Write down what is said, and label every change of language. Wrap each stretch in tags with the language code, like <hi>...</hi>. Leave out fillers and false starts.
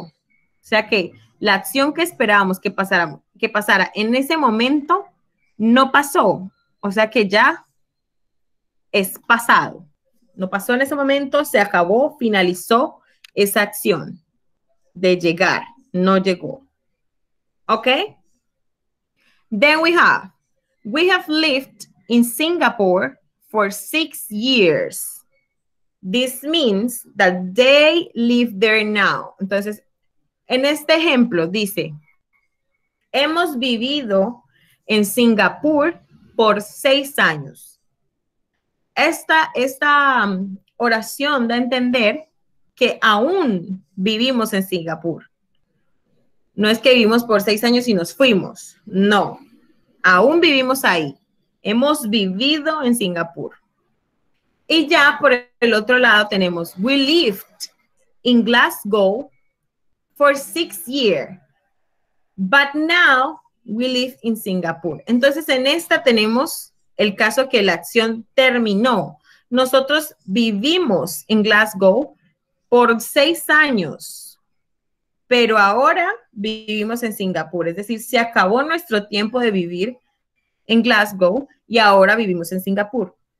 <es>O sea que la acción que esperábamos que pasara en ese momento no pasó. O sea que ya es pasado. No pasó en ese momento, se acabó, finalizó esa acción de llegar. No llegó. ¿Ok?</es> <en>Then we have lived in Singapore for 6 years. This means that they live there now.</en> <es>Entonces, en este ejemplo dice, hemos vivido en Singapur por 6 años. Esta oración da a entender que aún vivimos en Singapur. No es que vivimos por 6 años y nos fuimos. No. Aún vivimos ahí. Hemos vivido en Singapur. Y ya por el otro lado tenemos,</es> <en>we lived in Glasgow for 6 years, but now we live in Singapore.</en> <es>Entonces, en esta tenemos el caso que la acción terminó. Nosotros vivimos en Glasgow por 6 años, pero ahora vivimos en Singapur. Es decir, se acabó nuestro tiempo de vivir en Glasgow y ahora vivimos en Singapur.</es>